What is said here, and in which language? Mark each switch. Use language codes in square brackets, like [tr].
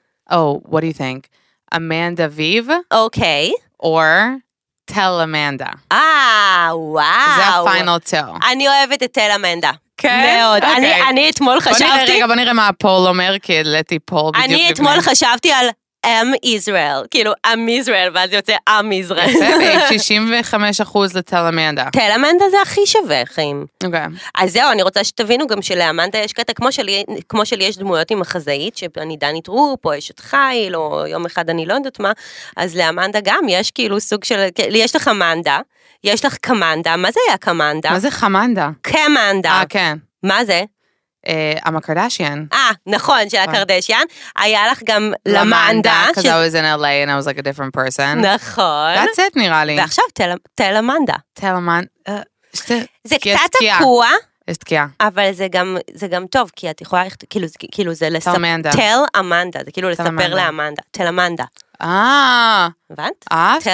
[en] Oh, what do you think? Amanda Viv? Okay. Or Tell Amanda. Wow. [he] זה הפיינל טל. אני אוהבת את טל אמנדה. כן? מאוד. אני אתמול חשבתי... רגע, בוא נראה מה הפול אומר, כי הלתי פול בדיוק. אני אתמול חשבתי על I'm Israel. כאילו, I'm Israel, ואז יוצא I'm Israel. זה 65% לטל אמנדה. טל אמנדה זה הכי שווה, חיים. אוקיי. אז זהו, אני רוצה שתבינו גם שלאמנדה יש קטע, כמו שלי יש דמויות עם החזאית, שאני דנית רופ, או יש את חייל, או יום אחד אני לא יודעת מה, אז לאמנדה גם יש כאילו סוג של... יש לך אמנדה, יש לך קמנדה, מה זה היה קמנדה? מה זה חמנדה? קמנדה. כן. מה זה? [en] I'm a Kardashian. [he] נכון, של הקרדשיאן. היה לך גם למנדה. [en] Because I was in LA and I was like a different person. [he] נכון. [en] That's it, [he] נראה לי. ועכשיו, תל אמנדה. תל אמנדה. זה קצת תקוע. יש תקיעה. אבל זה גם טוב, כי את יכולה, כאילו זה לספר. תל אמנדה. זה כאילו לספר לאמנדה. תל אמנדה. הבנת? אהבתי.